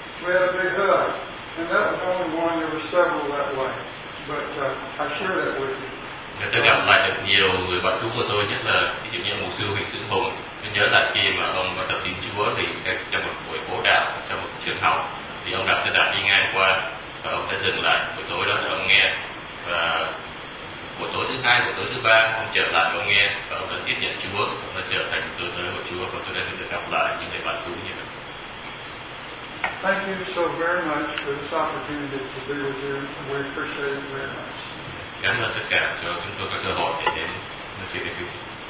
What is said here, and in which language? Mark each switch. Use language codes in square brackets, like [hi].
[en] We had a big hug, and that was only one. There were several that way, but I share that with you. [vi] Tôi gặp lại được nhiều người bạn cũ của tôi, nhất là ví dụ như mục sư Huỳnh Sĩ Hùng. Tôi nhớ là khi mà ông bắt đầu tin Chúa thì trong một buổi bố đạo, trong một trường học, thì ông đạp xe đạp đi ngang qua và ông đã dừng lại buổi tối đó để ông nghe. Và buổi tối thứ hai, buổi tối thứ ba, ông trở lại ông nghe và ông đã tiếp nhận Chúa, ông đã trở thành tôi tớ của Chúa và tôi đã được gặp lại những người bạn cũ như vậy. [en] Thank you so very much for this opportunity to be with you. We appreciate it very much. [vi] Cảm ơn tất cả cho chúng tôi có cơ hội để đến nói chuyện với chúng tôi.